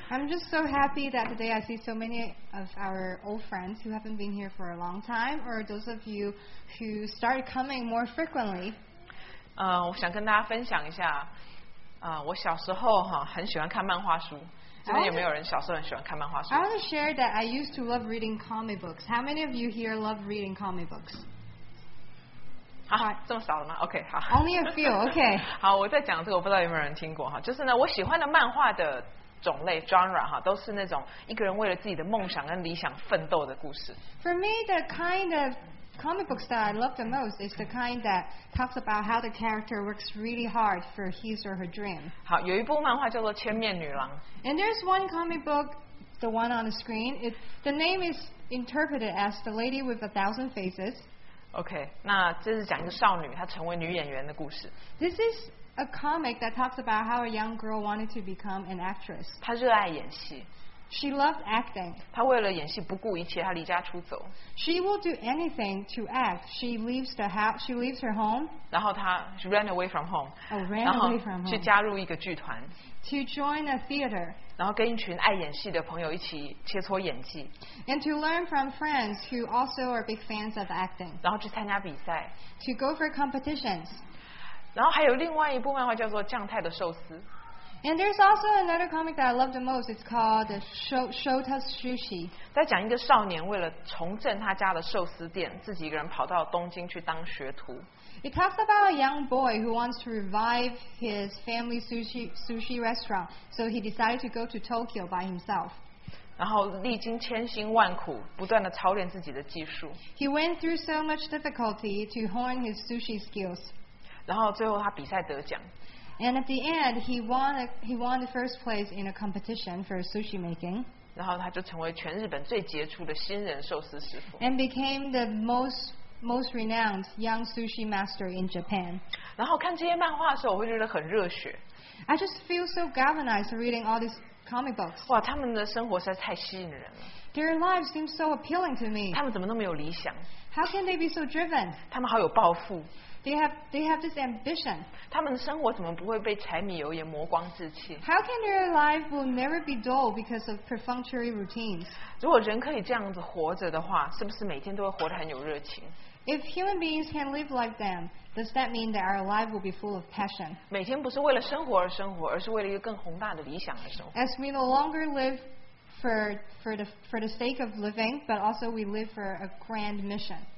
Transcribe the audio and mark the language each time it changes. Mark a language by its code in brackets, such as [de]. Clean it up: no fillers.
[en] I'm just so happy that today I see so many of our old friends who haven't been here for a long time, or those of you who start coming more frequently. [zh] 我想跟大家分享一下，我小时候哈很喜欢看漫画书。真的有没有人小时候很喜欢看漫画书 [en] ？I want to share that I used to love reading comic books. How many of you here love reading comic books? [zh] 好，这么少了吗 ？OK， 好。 [en] Only a few, OK。 [zh] 好，我在讲这个，我不知道有没有人听过哈。就是呢，我喜欢的漫画的种类 genre 哈，都是那种一个人为了自己的梦想跟理想奋斗的故事。 [en] For me, the kind of comic books that I love the most is the kind that talks about how the character works really hard for his or her dream. [zh] 好，有一部漫画叫做《千面女郎》。 [en] And there's one comic book, the one on the screen. The name is interpreted as The Lady with a Thousand Faces. [zh] OK， 那这是讲一个少女她成为女演员的故事。 [en] This is a comic that talks about how a young girl wanted to become an actress. [zh] 她热爱演戏。 [en] She loved acting. [zh] 她为了演戏不顾一切，她离家出走。 [en] She will do anything to act. She leaves her home. [zh] 然后她 [en] ran away from home. Oh, ran away from home. [zh] 去加入一个剧团。 [en] To join a theater. [zh] 然后跟一群爱演戏的朋友一起切磋演技。 [en] And to learn from friends who also are big fans of acting. [zh] 然后去参加比赛。 [en] To go for competitions. [zh] 然后还有另外一部漫画叫做《酱太的寿司》。 [en] And there's also another comic that I love the most. It's called Shota Sushi. [zh] 在讲一个少年为了重振他家的寿司店，自己一个人跑到东京去当学徒。 [en] It talks about a young boy who wants to revive his family sushi restaurant, so he decided to go to Tokyo by himself. [zh] 然后历经千辛万苦，不断的操练自己的技术。 [en] He went through so much difficulty to hone his sushi skills. [zh] 然后最后他比赛得奖。 [en] And at the end, he won the first place in a competition for sushi making. [zh] 然后他就成为全日本最杰出的新人寿司师傅。 [en] And became the most renowned young sushi master in Japan. [zh] 然后看这些漫画的时候，我会觉得很热血。 [en] I just feel so galvanized reading all these comic books. [zh] 哇，他们的生活实在太吸引人了。 [en] Their lives seem so appealing to me. [zh] 他们怎么那么有理想 [en] ？How can they be so driven? [zh] 他们好有抱负。 [en] They have this ambition. [zh] 他们的生活怎么不会被柴米油盐磨光志气 [en] ？How can their life will never be dull because of perfunctory routines? [zh] 如果人可以这样子活着的话，是不是每天都会活得很有热情 [en] ？If human beings can live like them, does that mean that our life will be full of passion? [zh] 每天不是为了生活而生活，而是为了一个更宏大的理想而生活。 [en] As we no longer live for the sake of living, but also we live for a grand mission.